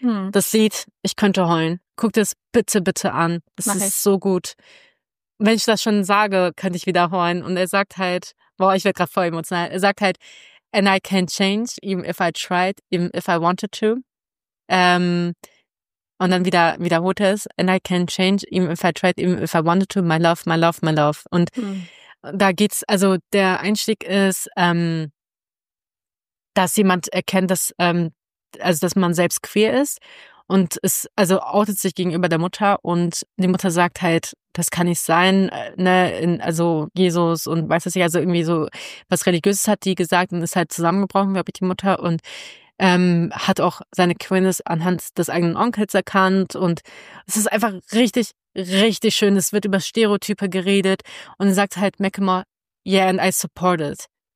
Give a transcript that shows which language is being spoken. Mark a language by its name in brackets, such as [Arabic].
[German] Das Lied, ich könnte heulen. Guck dir das bitte, bitte an. Das ist so gut. Wenn ich das schon sage, könnte ich wieder heulen. Und er sagt halt, boah, ich werde gerade voll emotional. Er sagt halt, [English] and I can change, even if I tried, even if I wanted to. [German] Und dann wieder wiederholt es. [English] And I can change, even if I tried, even if I wanted to. My love, my love, my love. [German] Und da geht's, also der Einstieg ist, dass jemand erkennt, dass man selbst queer ist. Und es, also outet sich gegenüber der Mutter. Und die Mutter sagt halt, das kann nicht sein, ne, also Jesus und weiß das nicht, also irgendwie so was Religiöses hat die gesagt und ist halt zusammengebrochen, glaube ich, die Mutter und hat auch seine Queerness anhand des eigenen Onkels erkannt und es ist einfach richtig, richtig schön, es wird über Stereotype geredet und sagt halt Macklemore, [English] yeah, and I support it.